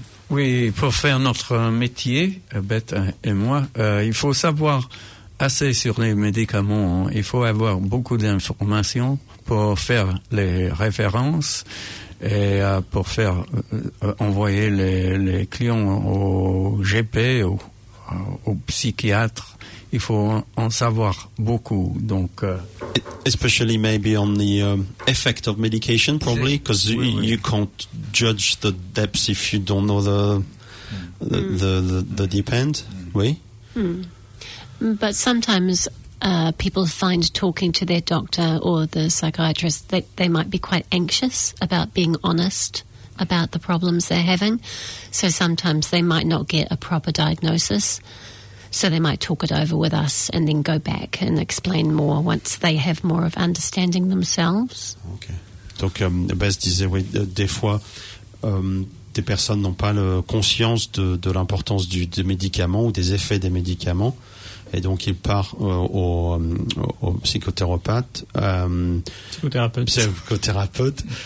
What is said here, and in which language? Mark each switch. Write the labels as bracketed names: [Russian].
[French] Oui, pour faire notre métier, Beth et moi, il faut savoir assez sur les médicaments, hein. Il faut avoir beaucoup d'informations pour faire les références, et pour faire envoyer les clients au GP ou au psychiatre, il faut en savoir beaucoup. Donc, [English] especially maybe on the effect of medication, probably, because you can't judge the depths if you don't know the deep end. [French] Oui. [English] But sometimes people find talking to their doctor or the psychiatrist that they might be quite anxious about being honest about the problems they're having. So sometimes they might not get a proper diagnosis. So they might talk it over with us and then go back and explain more once they have more of understanding themselves. Okay. [French] Donc, Bess disait, oui, des fois, des personnes n'ont pas conscience de l'importance des médicaments ou des effets des médicaments. Et donc, il part au psychothérapeute. Psychothérapeute.